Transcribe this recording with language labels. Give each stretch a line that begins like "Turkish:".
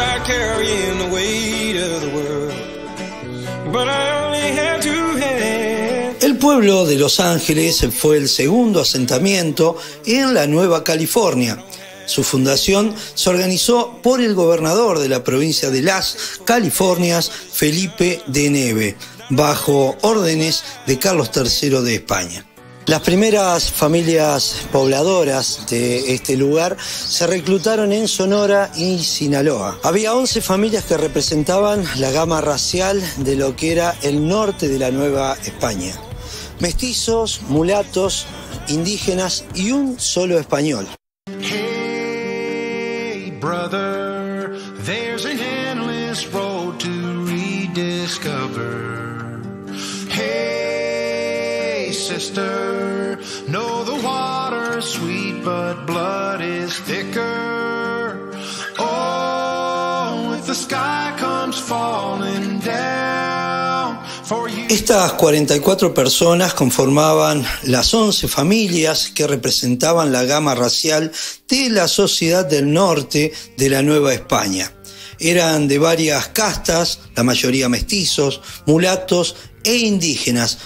English: Carrying the weight of the world, but I only had two hands.
Spanish: El pueblo de Los Ángeles fue el segundo asentamiento en la Nueva California. Su fundación se organizó por el gobernador de la provincia de Las Californias, Felipe de Neve, bajo órdenes de Carlos III de España. Las primeras familias pobladoras de este lugar se reclutaron en Sonora y Sinaloa. Había 11 familias que representaban la gama racial de lo que era el norte de la Nueva España. Mestizos, mulatos, indígenas y un solo español.
English: Hey, brother, there's an endless road to rediscover. Hey, sister. Know the water's sweet, but blood is thicker. Oh, if the sky comes falling down for you.
Spanish: Estas 44 personas conformaban las 11 familias que representaban la gama racial de la sociedad del norte de la Nueva España. Eran de varias castas, la mayoría mestizos, mulatos e indígenas.